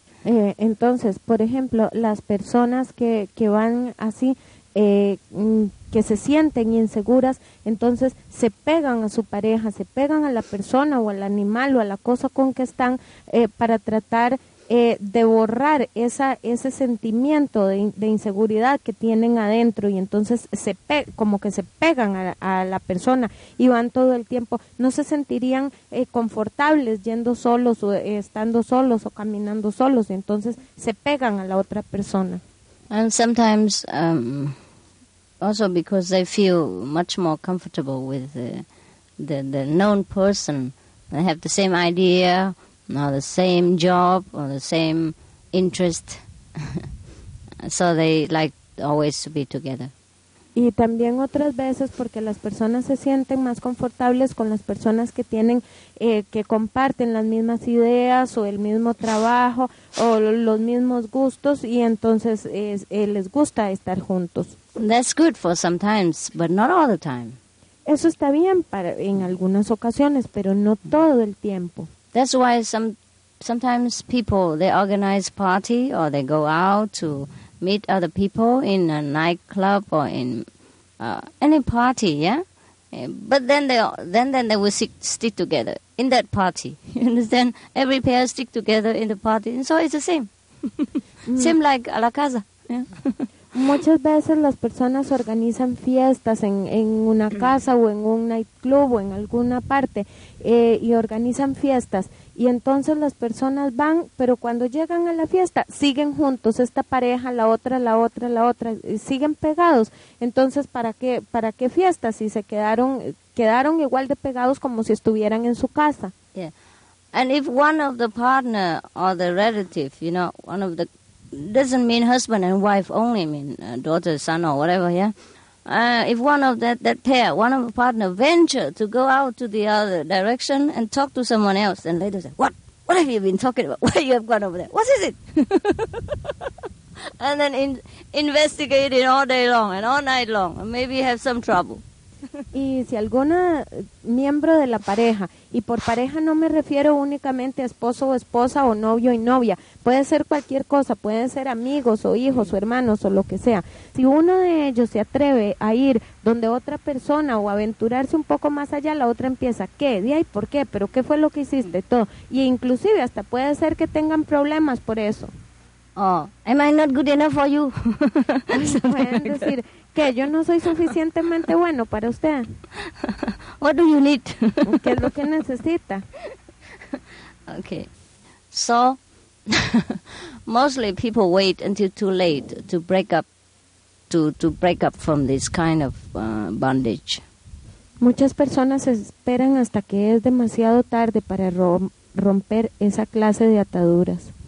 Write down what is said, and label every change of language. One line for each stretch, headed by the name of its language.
Spanish: Entonces, por ejemplo, las personas que van así, que se sienten inseguras, entonces se pegan a su pareja, se pegan a la persona o al animal o a la cosa con que están para tratar de borrar ese sentimiento de inseguridad que tienen adentro y entonces se pegan a la persona y van todo el tiempo. No se sentirían confortables yendo solos o estando solos o caminando solos y entonces se pegan a la otra persona.
English: And sometimes also because they feel much more comfortable with the known person, they have the same idea, now the same job or the same interest, so they like always to be together.
Spanish: Y también otras veces porque las personas se sienten más confortables con las personas que tienen que comparten las mismas ideas o el mismo trabajo o los mismos gustos y entonces les gusta estar juntos.
English: That's good for sometimes, but not all the time.
Spanish: Eso está bien para en algunas ocasiones, pero no todo el tiempo.
English: That's why sometimes people, they organize party or they go out to meet other people in a nightclub or in any party, yeah? But then they will stick together in that party. You understand? Every pair stick together in the party. And so it's the same. Same like
Spanish: a la casa.
English: Yeah?
Spanish: Muchas veces las personas organizan fiestas en una casa o en un nightclub o en alguna parte y organizan fiestas y entonces las personas van, pero cuando llegan a la fiesta siguen juntos, esta pareja, la otra, la otra, la otra, siguen pegados. Entonces, ¿para qué fiestas si se quedaron igual de pegados como si estuvieran en su casa?
English: And if one of the partner or the relative, you know, one of the, doesn't mean husband and wife only, mean daughter, son or whatever, yeah? If one of that pair, one of the partner venture to go out to the other direction and talk to someone else, then later say, what have you been talking about? Why you have gone over there? What is it? And then investigate it all day long and all night long and maybe have some trouble.
Spanish: Y si alguna miembro de la pareja, y por pareja no me refiero únicamente a esposo o esposa o novio y novia, puede ser cualquier cosa, pueden ser amigos o hijos o hermanos o lo que sea. Si uno de ellos se atreve a ir donde otra persona o aventurarse un poco más allá, la otra empieza, ¿qué? ¿De ahí? ¿Por qué? ¿Pero qué fue lo que hiciste? Todo. Y inclusive hasta puede ser que tengan problemas por eso.
English: Oh, am I not good enough for you?
Spanish: Pueden decir, ¿qué? ¿Yo no soy suficientemente bueno para usted?
English: What do you need?
Spanish: ¿Qué es lo que necesita?
English: Okay. So, mostly people wait until too late to break up, to break up from this kind of bondage.
Spanish: Muchas personas esperan hasta que es demasiado tarde para romper esa clase de ataduras.